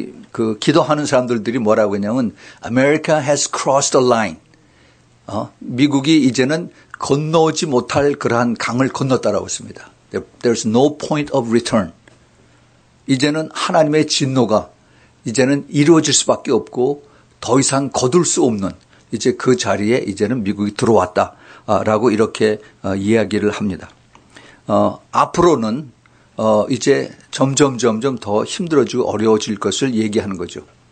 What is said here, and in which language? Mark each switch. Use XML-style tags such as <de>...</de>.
<ko>그 기도하는 사람들이 뭐라고 했냐면</ko> <en>America has crossed the line.</en> <ko>미국이 이제는 건너오지 못할 그러한 강을 건넜다라고 했습니다.</ko> <en>There's no point of return.</en> <ko>이제는 하나님의 진노가 이제는 이루어질 수밖에 없고 더 이상 거둘 수 없는 이제 그 자리에 이제는 미국이 들어왔다라고 이렇게 이야기를 합니다. 앞으로는 이제 점점 더 힘들어지고 어려워질 것을 얘기하는 거죠.</ko>